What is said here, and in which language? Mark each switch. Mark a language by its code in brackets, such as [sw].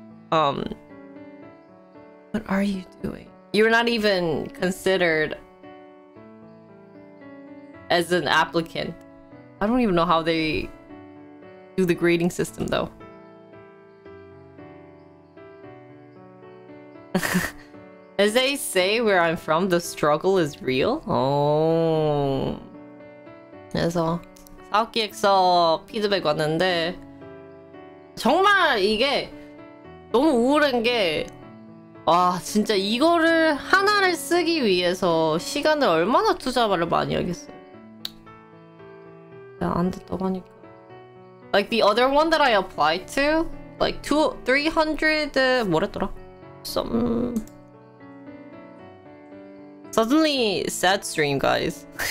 [en] What are you doing? You're not even considered as an applicant. I don't even know how they do the grading system though. As they say where I'm from, the struggle is real. Oh. [ko] 그래서 사업기획서 피드백 왔는데 정말 이게 너무 우울한 게 와 진짜 이거를 하나를 쓰기 위해서 시간을 얼마나 투자를 많이 하겠어요. 안 됐다고 하니까. [en] Like the other one that I applied to, like 200, 300 [ko] 뭐랬더라? [en] Some. Suddenly sad stream guys.